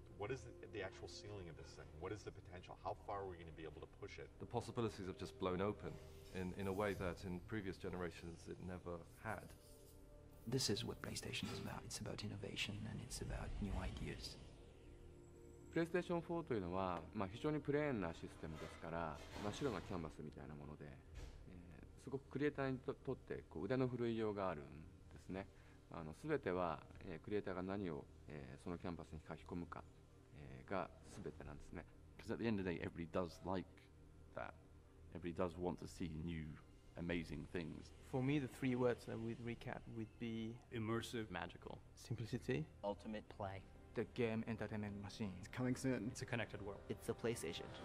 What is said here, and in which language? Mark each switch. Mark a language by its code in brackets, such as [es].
[en] What is the actual ceiling of this thing? What is the potential? How far are we going to be able to push it? The possibilities have just blown open in a way that in previous generations it never had. This is what PlayStation is about. It's about innovation and it's about new ideas. [ja] PlayStation 4 というのは、まあ、非常にプレーンなシステムですから、真っ白なキャンバスみたいなもので、すごくクリエイターに とってこう腕の振るいようがあるんですね。あの全ては、クリエイターが何を、そのキャンバスに書き込むか、が全てなんですね。 [en] Because at the end of the day, everybody does like that. Everybody does want to see new, amazing things. For me, the three words that we'd recap would be immersive, magical, simplicity, ultimate play. The game entertainment machine. It's coming soon. It's a connected world. It's a PlayStation.